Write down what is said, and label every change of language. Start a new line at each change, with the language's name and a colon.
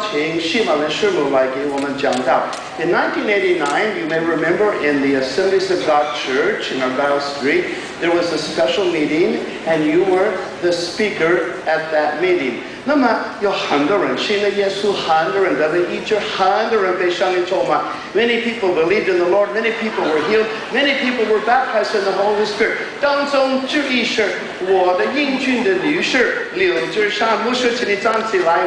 Chinese: 都是在1989年，那个时候我们在加拉街省教会有一个特别的布道会，邀请希玛的师母来给我们讲道。
English: In 1989, you may remember in the Assemblies of God Church in Argyle Street, there was a special meeting, and you were the speaker at that meeting.
Chinese: 那么有很多人信了耶稣，很多人得了医治，很多人被圣灵充满。
English: Many people believed in the Lord, many people were healed, many people were baptized in the Holy Spirit.
Chinese: 当中之一是我的英俊的女士柳志山牧师，请你站起来。